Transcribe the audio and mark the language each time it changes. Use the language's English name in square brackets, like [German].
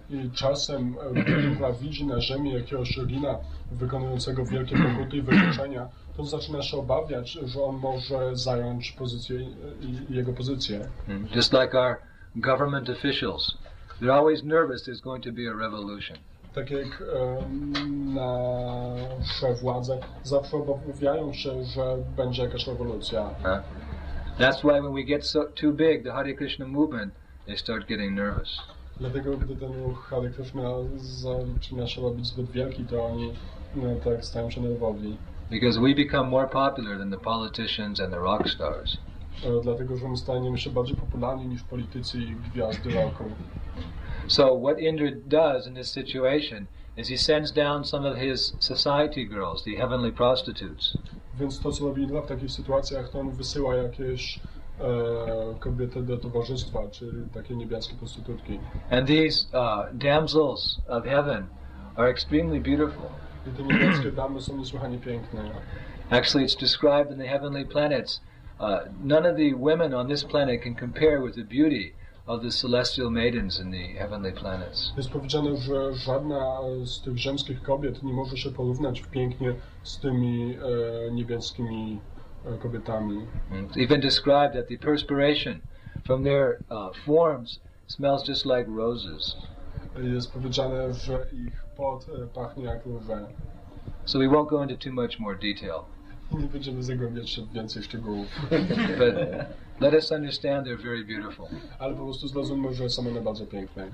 [Polish] I czasem, gdy widzi na ziemi jakiegoś jogina wykonującego wielkie pokuty i wyrzeczenia, to zaczyna się obawiać, że on może zająć pozycję, jego pozycję. [English] Just like our government officials. They're always nervous there's going to be a revolution. [Polish] Tak jak nasze władze zawsze obawiają się, że będzie jakaś rewolucja. [English] That's why when we get so too big, the Hare Krishna movement, they start getting nervous. [Polish] Dlatego gdy ten ruch Hare Krishna zaczyna się robić zbyt wielki, to oni tak stają się nerwowi. [English] Because we become more popular than the politicians and the rock stars. [Polish] Dlatego, że my staniemy się bardziej popularni niż politycy i gwiazdy roku. [English] So what Indra does in this situation is he sends down some of his society girls, the heavenly prostitutes. [Polish] Więc to, co robi Indra w takich sytuacjach, to on wysyła jakieś kobiety do towarzystwa, czyli takie niebiańskie prostytutki. [English] And these damsels of heaven are extremely beautiful. [Polish] I te niebiańskie damy są niesłychanie piękne. [English] Actually, it's described in the heavenly planets. None of the women on this planet can compare with the beauty of the celestial maidens in the heavenly planets. [Polish] Jest powiedziane, że żadna z tych ziemskich kobiet nie może się porównać w pięknie z tymi niebieskimi kobietami. [English] It's even described that the perspiration from their forms smells just like roses. [Polish] Jest powiedziane, że ich pot pachnie jak róże. [English] So we won't go into too much more detail. [Polish] Nie będziemy zagłębiać się w więcej szczegółów. [English] But let us understand they're very beautiful. [Polish] Ale po prostu zrozummy, że są one bardzo piękne.